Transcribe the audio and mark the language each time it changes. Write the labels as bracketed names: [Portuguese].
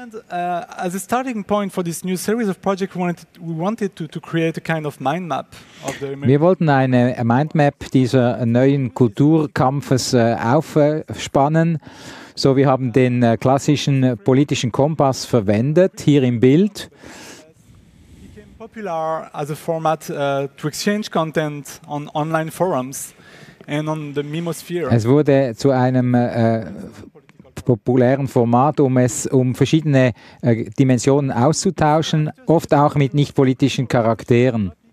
[English] As a starting point for this new series of projects, we wanted to create a kind of mind map of the. [German] Wir wollten eine Mindmap dieser neuen Kulturkampfes aufspannen. So, wir haben den klassischen politischen Kompass verwendet hier im Bild. [English] Became popular as a format to exchange content on online forums and on the Mimosphere. [German] Es wurde zu einem populären Format, um es um verschiedene Dimensionen auszutauschen, oft auch mit nicht-politischen Charakteren.